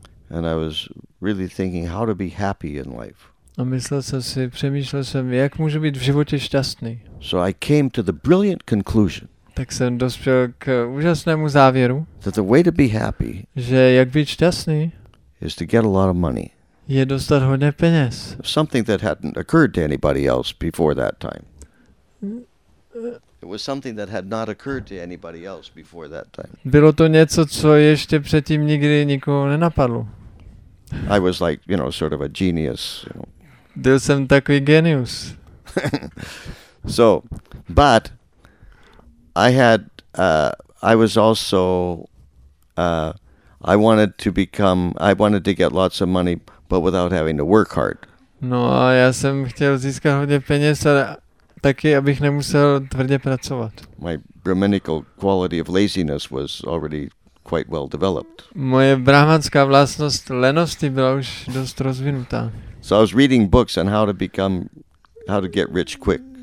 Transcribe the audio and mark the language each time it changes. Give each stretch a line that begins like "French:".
English: And I was really thinking how to be happy in life.
Czech: A myslel jsem si, přemýšlel jsem, jak můžu být v životě šťastný.
English: So I came to the brilliant conclusion.
Czech: tak jsem dospěl k úžasnému závěru,
English: that the way to be happy,
Czech: že jak být šťastný,
English: is to get a lot of money.
Czech: Je dostat hodně peněz.
English: Something that hadn't occurred to anybody else before that time. It was something that had not occurred to anybody else before that time.
Czech: Bylo to něco, co ještě předtím nikdy nikoho nenapadlo.
English: I was like, you know, sort of a genius, you know.
Czech: Byl jsem takový genius.
English: So, but I had I was also I wanted to get lots of money but without having to work hard.
Czech: No, a já jsem chtěl získat hodně peněz, ale taky abych nemusel tvrdě pracovat.
English: My brahminical quality of laziness was already quite well developed.
Czech: Moje brahmanská vlastnost lenosti byla už dost rozvinutá.
English: So I was reading books on how to get rich quick.